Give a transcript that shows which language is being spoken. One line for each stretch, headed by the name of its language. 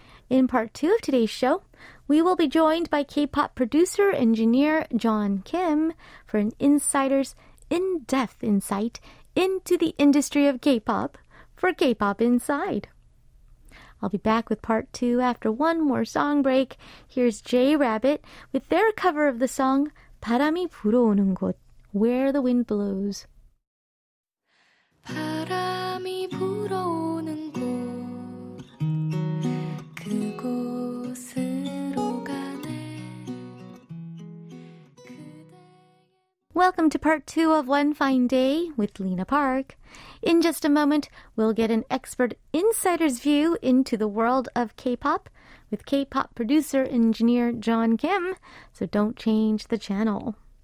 English: In part two of today's show, we will be joined by K-pop producer-engineer John Kim for an insider's in-depth insight into the industry of K-pop for K-pop Inside. I'll be back with part two after one more song break. Here's J-Rabbit with their cover of the song 바람이 불어오는 곳, Where the Wind Blows.
Korean: 바람이 불어오는 곳, 그곳으로 가네. 그대...
English: Welcome to part two of One Fine Day with Lena Park. In just a moment, we'll get an expert insider's view into the world of K-pop with K-pop producer-engineer John Kim, so don't change the channel.